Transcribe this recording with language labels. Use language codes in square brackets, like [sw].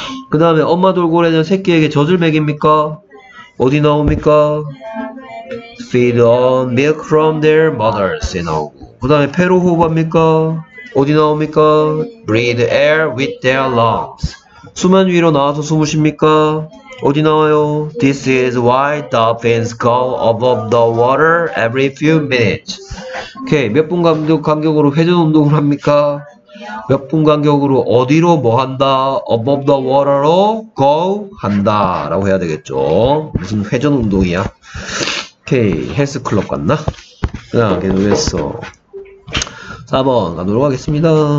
[ko] 그 다음에 엄마 돌고래는 새끼에게 젖을 먹입니까? 어디 나옵니까? [en] Feed on milk from their mothers. [ko] 그 다음에 폐로 호흡합니까? 어디 나옵니까? [en] Breathe air with their lungs. [ko] 수면 위로 나와서 숨으십니까? 어디 나와요? [en] This is why dolphins go above the water every few minutes. [ko] 오케이. 몇 분 간격으로 회전 운동을 합니까? 몇 분 간격으로 어디로 뭐 한다? [en] Above the water [ko] 로 go 한다. 라고 해야 되겠죠. 무슨 회전 운동이야? 오케이. 헬스클럽 갔나? 야, 계속했어. 4번 가도록 하겠습니다.